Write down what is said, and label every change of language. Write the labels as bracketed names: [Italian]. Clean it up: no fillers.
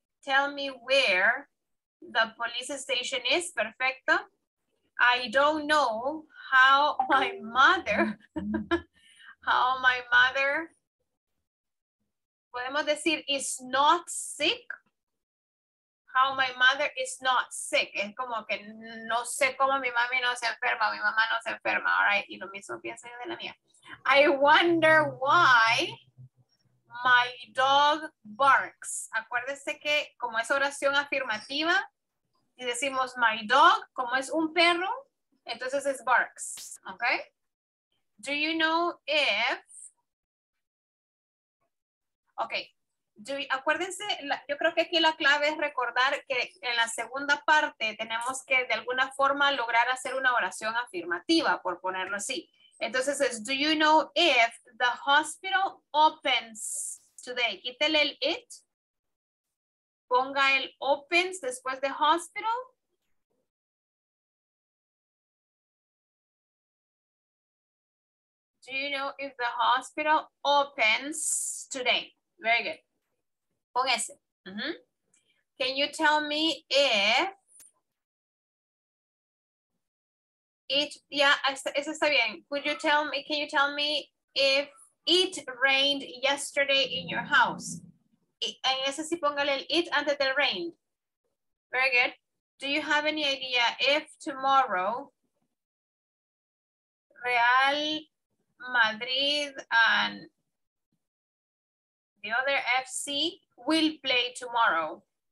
[English] Tell me where the police station is. Perfecto. I don't know how my mother, [Spanish] podemos decir [English] is not sick. How my mother is not sick. [Spanish] Es como que no sé cómo mi mami no se enferma, mi mamá no se enferma, all right? Y lo mismo pienso yo de la mía. [English] I wonder why my dog barks. [Spanish] Acuérdese que como es oración afirmativa, y decimos my dog, como es un perro, entonces es barks, okay? [English] Do you know if, okay. [Spanish] Acuérdense, yo creo que aquí la clave es recordar que en la segunda parte tenemos que de alguna forma lograr hacer una oración afirmativa, por ponerlo así. [English] Entonces es, do you know if the hospital opens today? [Spanish] Quítele el it, ponga el opens después de hospital. [English] Do you know if the hospital opens today? Very good. [Spanish] Con ese. [English] Mm-hmm. Can you tell me if it, yeah, [Spanish] eso está bien. [English] Could you tell me, can you tell me if it rained yesterday in your house? [Spanish] En ese sí póngale el it antes del rain. [English] Very good. Do you have any idea if tomorrow Real Madrid and the other FC will play tomorrow?